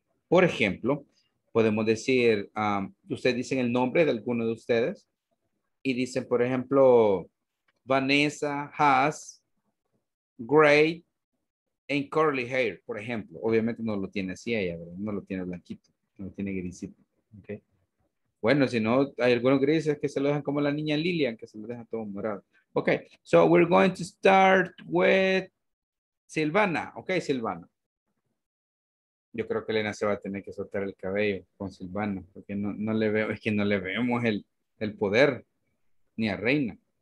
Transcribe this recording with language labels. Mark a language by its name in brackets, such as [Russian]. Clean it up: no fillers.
[Spanish] Por ejemplo, podemos decir, ustedes dicen el nombre de alguno de ustedes y dicen, por ejemplo, [English] Vanessa has gray and curly hair, [Spanish] por ejemplo. Obviamente no lo tiene así ella, ¿verdad? No lo tiene blanquito, no lo tiene grisito, ¿ok? Bueno, si no, hay algunos grises que se lo dejan como la niña Lilian, que se lo deja todo morado. [English] Ok, so we're going to start with Silvana. Ok, Silvana. [Spanish] Yo creo que Elena se va a tener que soltar el cabello con Silvana, porque no le veo, es que no le vemos el poder, ni a Reina.